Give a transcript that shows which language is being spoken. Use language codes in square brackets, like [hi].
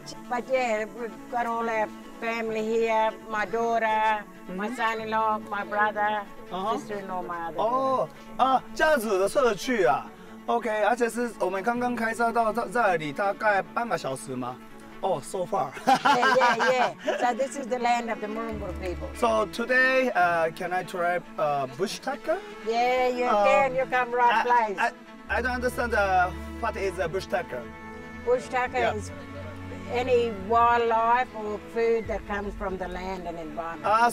[en] But yeah, we've got all our family here. My daughter, my son-in-law, my brother, sister-in-law, my other. [zh] Oh, 这样子的社区啊。OK， 而且是我们刚刚开车到这里，大概半个小时吗？ [en] Oh, so far. So this is the land of the Murungur people. So today, can I try bush taco? Yeah, you can. You come right place. I don't understand what is a bush taco. Bush taco is any wildlife or food that comes from the land and environment.